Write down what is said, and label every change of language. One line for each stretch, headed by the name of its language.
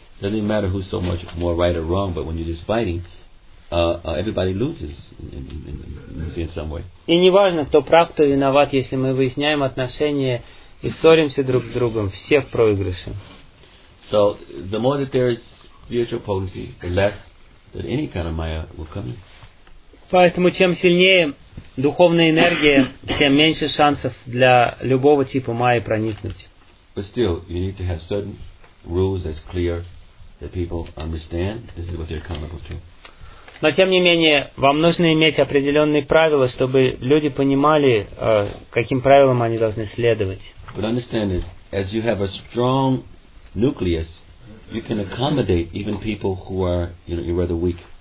English: It doesn't matter who's so much more right or wrong, but when you're just fighting, everybody loses in some way.
Russian: И не важно, кто прав, кто виноват, если мы выясняем отношения и ссоримся друг с другом, все в проигрыше.
English: So the more that there is spiritual potency, the less that any kind of Maya will come in.
Russian: Поэтому чем сильнее духовная энергия, тем меньше шансов для любого типа Майи проникнуть.
English: But still, you need to have certain rules that's clear. That people understand this is what they're accountable to.
Russian: Но тем не менее, вам нужно иметь определенные правила, чтобы люди понимали, каким правилам они должны следовать.
English: But understand this, as you have a strong nucleus, you can accommodate even people who are, you know, rather weak.